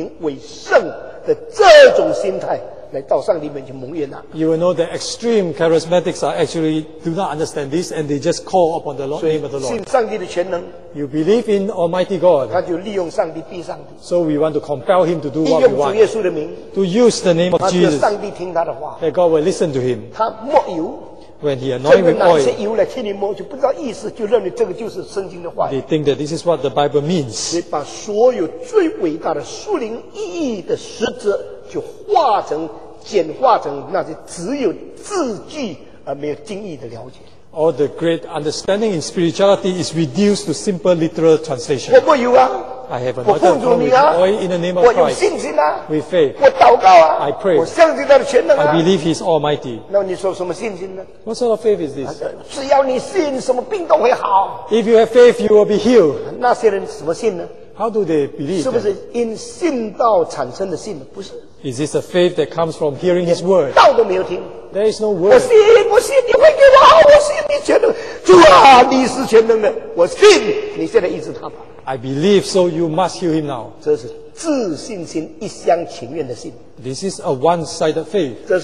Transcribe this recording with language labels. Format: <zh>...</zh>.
<zh>你就知道现在极端灵恩派的祷告都是冒用主的名而不明白什么叫做尊主名为圣的这种心态,</zh> <en>you will know that extreme charismatics are actually do not understand this and they just call upon the Lord, name of the Lord.</en> <zh>信上帝的全能,</zh> <en>you believe in Almighty God,</en> <zh>他就利用上帝, 逼上帝,</zh> <en>so we want to compel him to do what we want,</en> <zh>利用主耶稣的名,</zh> <en>to use the name of Jesus,</en> <zh>他就上帝听他的话,</zh> <en>that God will listen to him.</en> <zh>他抹油,</zh> <en>when he anoint with oil,</en> <zh>这个拿些油来替你摸, 就不知道意思, 就认为这个就是圣经的话语,</zh> <en>they think that this is what the Bible means.</en> <zh>把所有最伟大的属灵意义的实质, 就化成, 简化成那些只有字句而没有经意的了解。</zh> <en>All the great understanding in spirituality is reduced to simple literal translation.</en> <zh>我没有啊,</zh> <en>I have anointed him with oil in the name of Christ.</en> <zh>我有信心啊,</zh> <en>with faith.</en> <zh>我祷告啊,</zh> <en>I pray.</en> <zh>我相信他的全能啊,</zh> <en>I believe he is almighty.</en> <zh>那你说什么信心呢?</zh> <en>What sort of faith is this?</en> <zh>只要你信, 什么病都会好。</zh> <en>If you have faith, you will be healed.</en> <zh>那些人什么信呢?</zh> <en>How do they believe?</en> <zh>是不是 in 信道产生的信? 不是。</zh> <en>Is this a faith that comes from hearing his word?</en> <zh>道都没有听,</zh> <en>there is no word.</en> <zh>我信你会给我好,我信你全能。主啊,你是全能的,我信,你现在医治他吧。</zh> <en>I believe, so you must heal him now.</en> <zh>这是自信心一厢情愿的信。</zh> <en>This is a one-sided faith.</en>